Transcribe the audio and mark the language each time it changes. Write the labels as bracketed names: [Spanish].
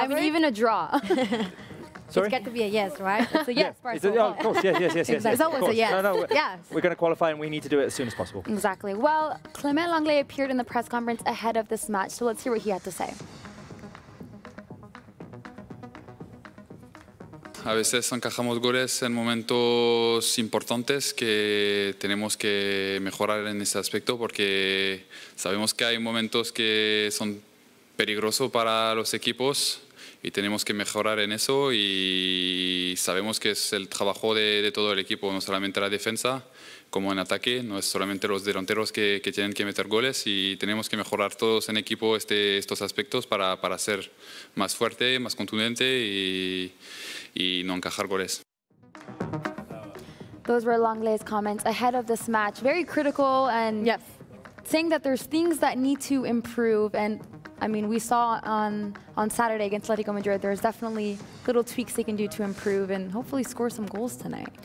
[English] I mean, even a draw. Sorry? It's got to be a yes, right? It's a yes, yeah. Barca. Oh, of course, yes. It's yes, always a yes. No, yes. We're going to qualify, and we need to do it as soon as possible. Exactly. Well, Clément Lenglet appeared in the press conference ahead of this match, so let's hear what he had to say. [Spanish] A veces encajamos goles en momentos importantes que tenemos que mejorar en ese aspecto porque sabemos que hay momentos que son peligrosos para los equipos y tenemos que mejorar en eso y sabemos que es el trabajo de todo el equipo, no solamente la defensa como en ataque, no es solamente los delanteros que tienen que meter goles y tenemos que mejorar todos en equipo estos aspectos para ser más fuerte, más contundente y no encajar goles. [English] Those were Lenglet's comments ahead of this match. Very critical and yep. Saying that there's things that need to improve. And I mean, we saw on Saturday against Atletico Madrid, there's definitely little tweaks they can do to improve and hopefully score some goals tonight.